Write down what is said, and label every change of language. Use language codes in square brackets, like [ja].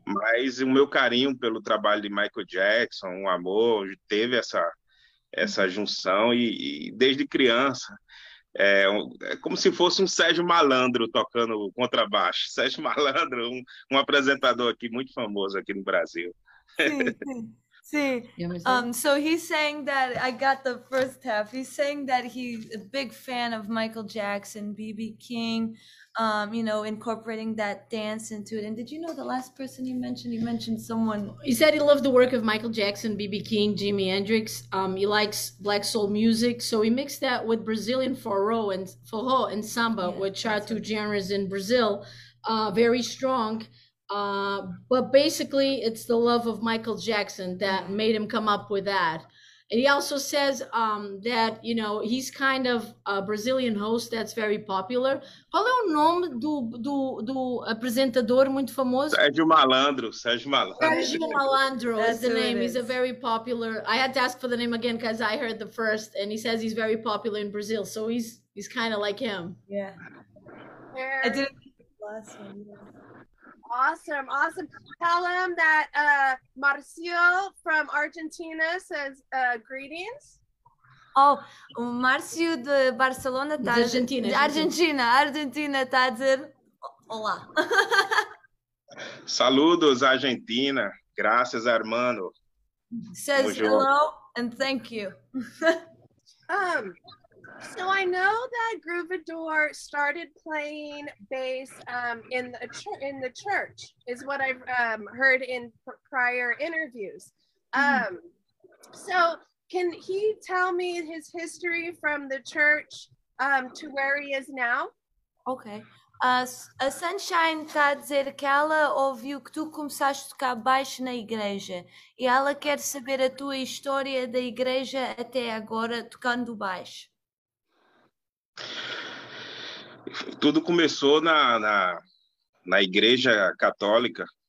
[pt] Mas o meu carinho pelo trabalho de Michael Jackson, o amor, teve essa junção e desde criança. É como se fosse um Sérgio Malandro tocando contrabaixo. Sérgio Malandro, um apresentador aqui muito famoso aqui no Brasil. Sim, sim. Sim. [en] So he's saying that, I got the first half, he's saying that he's a big fan of Michael Jackson, B.B. King, you know, incorporating that dance into it. And did you know the last person he mentioned? He mentioned someone. He said he loved the work of Michael Jackson, B.B. King, Jimi Hendrix. He likes black soul music. So he mixed that with Brazilian forró and samba, yeah, which are two genres in Brazil, very strong. But basically, it's the love of Michael Jackson that made him come up with that. And he also says that, you know, he's kind of a Brazilian host that's very popular. [pt] Qual é o nome do apresentador muito famoso? Sérgio Malandro. [en] Sérgio Malandro is the name. He's a very popular. I had to ask for the name again because I heard the first. And he says he's very popular in Brazil. So he's kind of like him. Yeah. I didn't think the last one. Yeah. Awesome, awesome. Tell him that Marcio from Argentina says greetings. [pt] Oh, o Marcio de Barcelona tá... De Argentina tá dizendo olá. [es] Saludos, Argentina. Gracias, Armando. [en] Says hello and thank you. So I know that Groovador started playing bass in the church, is what I've heard in prior interviews. Mm-hmm. So can he tell me his history from the church to where he is now? Okay. [pt] A Sunshine está a dizer que ela ouviu que tu começaste a tocar baixo na igreja e ela quer saber a tua história da igreja até agora tocando baixo. Tudo começou na Igreja Católica.